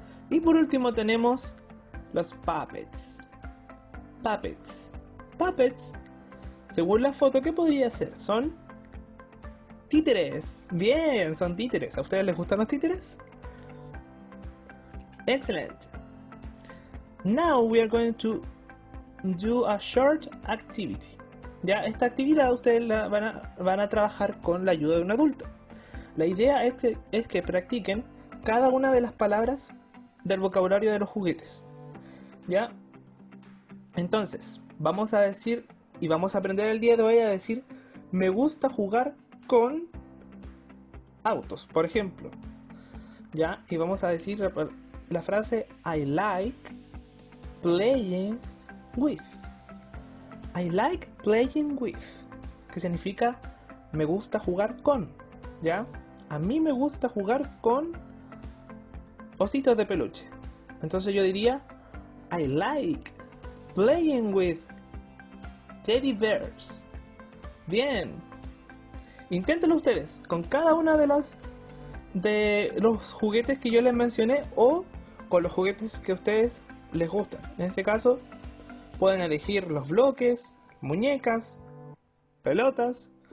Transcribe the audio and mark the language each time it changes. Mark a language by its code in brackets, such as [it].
[es] Y por último tenemos los puppets. Puppets. Puppets, según la foto, ¿qué podría ser? Son títeres. Bien, son títeres. ¿A ustedes les gustan los títeres? [en] Excellent. Now we are going to do a short activity. [es] Ya, esta actividad ustedes la van a trabajar con la ayuda de un adulto. La idea es que practiquen cada una de las palabras del vocabulario de los juguetes. Ya. Entonces, vamos a decir y vamos a aprender el día de hoy a decir me gusta jugar con autos, por ejemplo. Ya, y vamos a decir la frase [en] I like playing with. I like playing with. [es] Que significa me gusta jugar con. ¿Ya? A mí me gusta jugar con ositos de peluche. Entonces yo diría [en] I like playing with teddy bears. [es] Bien. Inténtenlo ustedes con cada una de las de los juguetes que yo les mencioné o con los juguetes que a ustedes les gustan. En este caso, pueden elegir los bloques, muñecas, pelotas.